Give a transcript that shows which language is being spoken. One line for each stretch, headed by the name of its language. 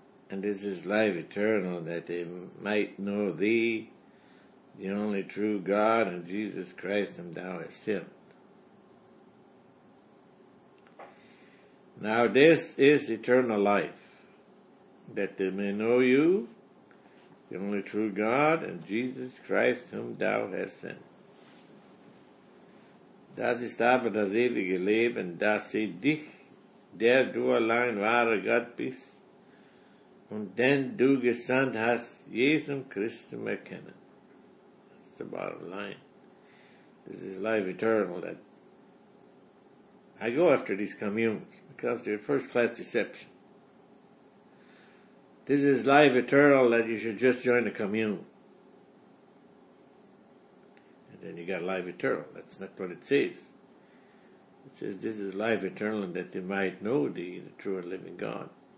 English: And this is life eternal, that they might know thee, the only true God, and Jesus Christ, whom thou hast sent. Now this is eternal life, that they may know you, the only true God, and Jesus Christ, whom thou hast sent.
German: Das ist aber das ewige Leben, dass sie dich, der du allein wahre Gott bist, und den du gesandt hast, Jesus Christus erkennen.
English: That's the bottom line. This is life eternal. That I go after these communions, because they're first-class deception. This is life eternal, that you should just join the commune. And then you got life eternal. That's not what it says. It says this is life eternal, and that they might know thee, the true and living God.